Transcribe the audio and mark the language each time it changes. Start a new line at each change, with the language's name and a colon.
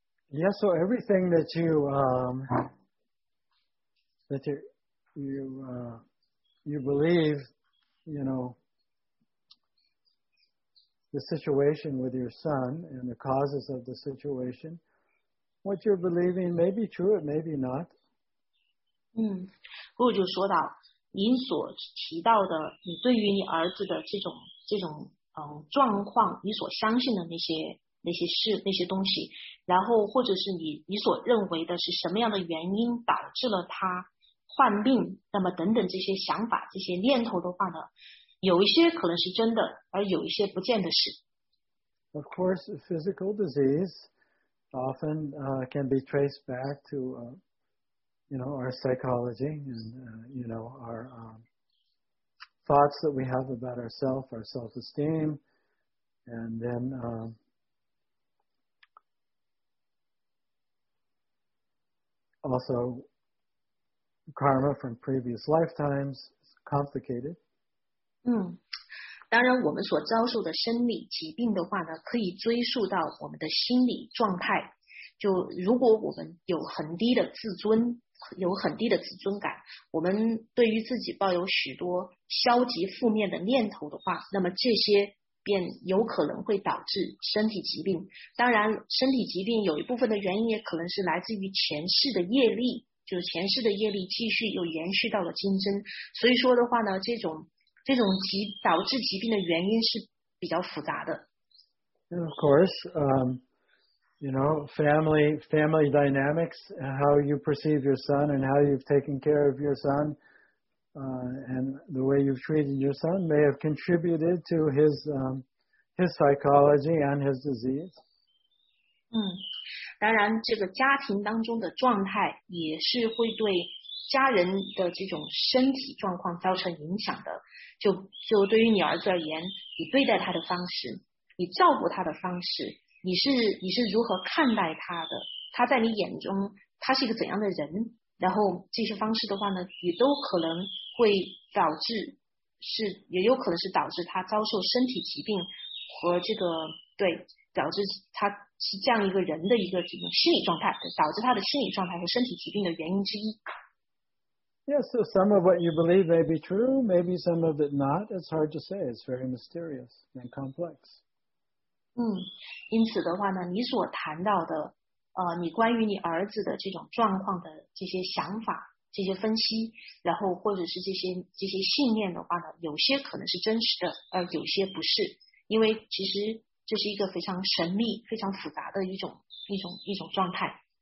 English: Yeah, so everything that you believe, you know, the situation with your son and the causes of the situation, what you're believing may be true, it may be not.
Chinese: 我就说到您所提到的你对于你儿子的这种状况，你所相信的那些东西，然后或者是你所认为的是什么样的原因导致了他患病，那么等等这些想法这些念头的话呢，有一些可能是真的，而有一些不见得是。
English: Of course, physical disease often can be traced back to our psychology and our thoughts that we have about ourselves, our self-esteem, and then also karma from previous lifetimes is complicated.
Chinese: 当然我们所遭受的生理疾病的话呢可以追溯到我们的心理状态。就如果我们有很低的自尊有很低的自尊感我们对于自己抱有许多消极负面的念头的话那么这些便有可能会导致身体疾病。当然身体疾病有一部分的原因也可能是来自于前世的业力就是前世的业力继续又延续到了今生。所以说的话呢这种导致疾病的原因是比较复杂的。
English: And of course, you know, family dynamics, how you perceive your son and how you've taken care of your son, and the way you've treated your son may have contributed to his psychology and his disease.
Chinese: 当然这个家庭当中的状态也是会对家人的这种身体状况造成影响的。就对于你儿子而言，你对待他的方式，你照顾他的方式，你是如何看待他的？他在你眼中，他是一个怎样的人？然后这些方式的话呢，也都可能会导致，是也有可能是导致他遭受身体疾病和这个对，导致他是这样一个人的一个这种心理状态，导致他的心理状态和身体疾病的原因之一。
English: Yes, so some of what you believe may be true, maybe some of it not. It's hard to say. It's very mysterious and complex.
Chinese: 因此的话呢，你所谈到的，你关于你儿子的这种状况的这些想法、这些分析，然后或者是这些信念的话呢，有些可能是真实的，而有些不是，因为其实这是一个非常神秘、非常复杂的一种状态。